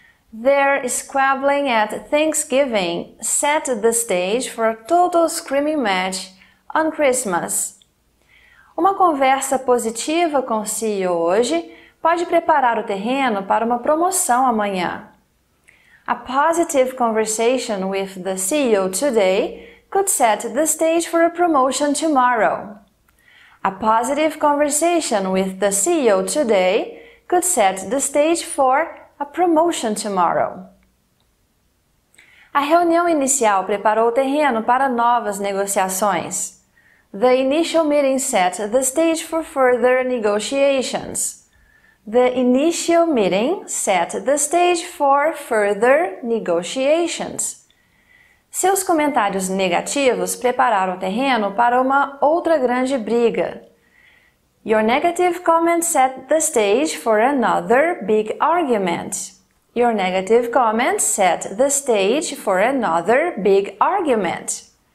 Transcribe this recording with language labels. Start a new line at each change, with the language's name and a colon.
English: Their squabbling at Thanksgiving set the stage for a total screaming match on Christmas.
Portuguese: Uma conversa positiva com o CEO hoje pode preparar o terreno para uma promoção amanhã.
English: A positive conversation with the CEO today could set the stage for a promotion tomorrow. A positive conversation with the CEO today could set the stage for a promotion tomorrow.
Portuguese: A reunião inicial preparou o terreno para novas negociações.
English: The initial meeting set the stage for further negotiations. The initial meeting set the stage for further negotiations.
Portuguese: Seus comentários negativos prepararam o terreno para uma outra grande briga.
English: Your negative comments set the stage for another big argument. Your negative comments set the stage for another big argument.